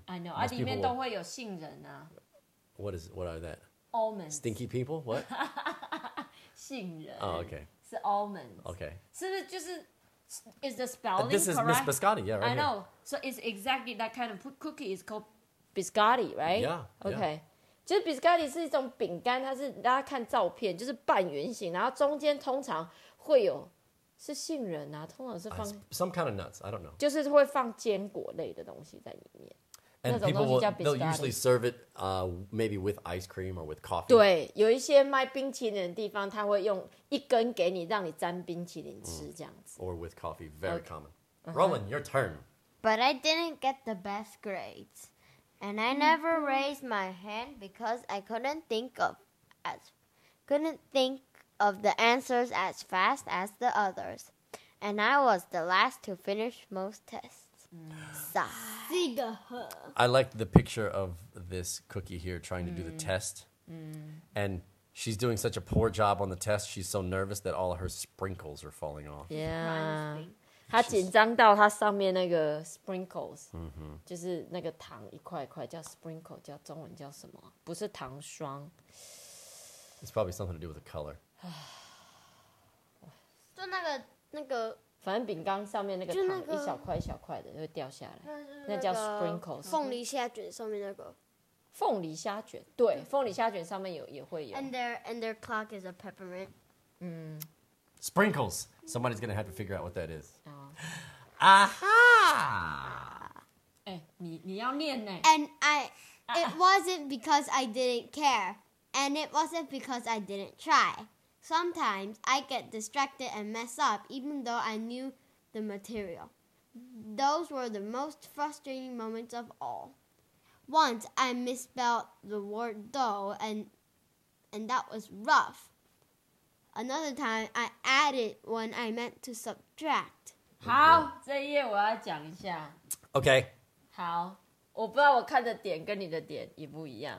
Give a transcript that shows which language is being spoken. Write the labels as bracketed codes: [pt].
[en] I know. [zh] 里面都会有杏仁啊。 [en] What are that? Almonds. Stinky people? What? [zh] 杏仁。 [en] Oh, okay. [zh] 是 almonds. [en] Okay. [zh] 是不是就是 [en] Is the spelling this is correct? Miss biscotti, yeah, right I know. Here. So it's exactly that kind of cookie is called biscotti, right? Yeah. Okay. Yeah. [zh] 就是 biscotti 是一种饼干，它是大家看照片，就是半圆形，然后中间通常会有是杏仁啊，通常是放 [en] some kind of nuts. I don't know. [zh] 就是会放坚果类的东西在里面。 [en] And people will, they'll usually serve it maybe with ice cream or with coffee. [zh] 对，有一些卖冰淇淋的地方，他会用一根给你，让你沾冰淇淋吃这样子。 [en] Or with coffee, very common. Roland, your turn. But I didn't get the best grades. And I never raised my hand because I couldn't think of the answers as fast as the others. And I was the last to finish most tests. I like the picture of this cookie here trying to do the test. And she's doing such a poor job on the test. She's so nervous that all of her sprinkles are falling off. [zh] Yeah. 她紧张到她上面那个 sprinkles. 就是那个糖一块一块叫 sprinkle, 叫中文叫什么? 不是糖霜。 [en] It's probably something to do with the color. [zh] 就那个反正饼干上面那个糖、那個、一小块一小块的就会掉下来，那叫 sprinkles。凤梨虾卷上面那个，凤梨虾卷，对，凤梨虾卷上面有也会有。 [en] And their clock is a peppermint. Sprinkles. Somebody's gonna have to figure out what that is. 啊哈！ [zh] 你要念呢、欸、 [en] ？And I, it wasn't because I didn't care, and it wasn't because I didn't try. Sometimes I get distracted and mess up, even though I knew the material. Those were the most frustrating moments of all. Once I misspelled the word dough, and that was rough. Another time I added when I meant to subtract. [zh] 好，这一页我要讲一下。 [en] Okay. [zh] 好，我不知道我看的点跟你的点一不一样。